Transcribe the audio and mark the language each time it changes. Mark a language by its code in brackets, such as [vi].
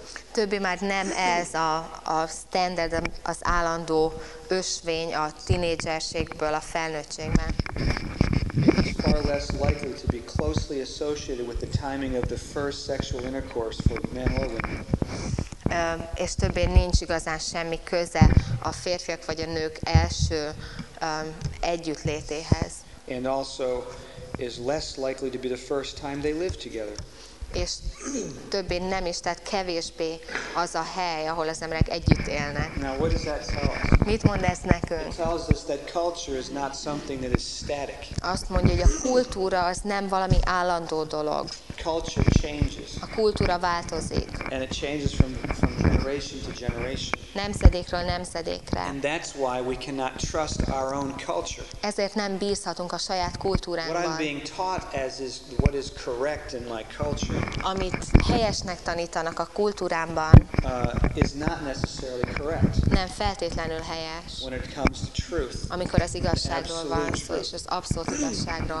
[hu] Többé már nem ez a standard, az állandó ösvény a tinédzserségből a felnőttségbe. [en] Less likely to be closely associated with the timing of the first sexual intercourse for men or women. [hu] És többé nincs igazán semmi köze a férfiak vagy a nők első együttlétéhez. [en] And also is less likely to be the first time they live together. [hu] És többé nem is, tehát kevésbé az a hely, ahol az emberek együtt élnek. [en] Now, what does that tell us? [hu] Mit mond ez nekünk? [en] It tells us that culture is not something that is static. [hu] Azt mondja, hogy a kultúra az nem valami állandó dolog. [en] Culture changes. [hu] A kultúra változik. [en] And it changes from generation to generation. [hu] Nemzedékről nemzedékre. [en] And that's why we cannot trust our own culture. [hu] Ezért nem bízhatunk a saját kultúránkban. [en] What I'm being taught as is what is correct in my culture. [hu] Amit helyesnek tanítanak a kultúrámban. [en] Is not necessarily correct. [hu] Nem feltétlenül helyes. [en] When it comes to truth. [hu] Amikor az igazságról van szó és az abszolút igazságról.